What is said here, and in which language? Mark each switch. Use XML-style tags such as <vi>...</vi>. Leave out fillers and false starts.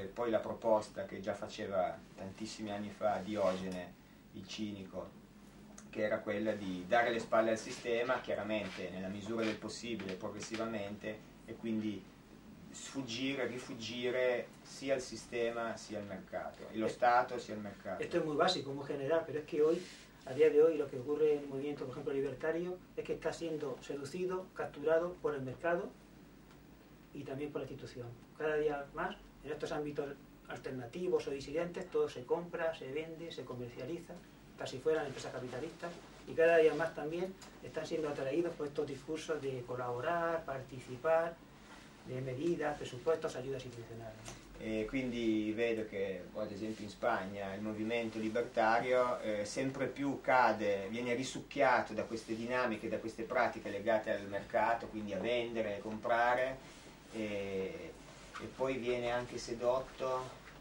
<it>Che poi la proposta che già faceva tantissimi anni fa Diogene, il cinico, che era quella di dare le spalle al sistema, chiaramente, nella misura del possibile, progressivamente, e quindi sfuggire, rifugire sia al sistema sia al mercato, y lo Stato sia al mercato.</it> <es>Esto es muy básico, muy general, pero es que hoy, a día de hoy, lo que ocurre en el movimiento, por ejemplo, libertario, es que está siendo seducido, capturado por el mercado y también por la institución. Cada día más, en estos ámbitos alternativos o disidentes, todo se compra, se vende, se comercializa, hasta si fueran empresas capitalistas, y cada día más también están siendo atraídos por estos discursos de colaborar, participar, de medidas, presupuestos, ayudas institucionales.</es> <it>Quindi vedo che, ad esempio in Spagna, il movimento libertario sempre più cade, viene risucchiato da queste dinamiche, da queste pratiche legate al mercato, quindi a vendere, a comprare, e poi viene anche sedotto</it>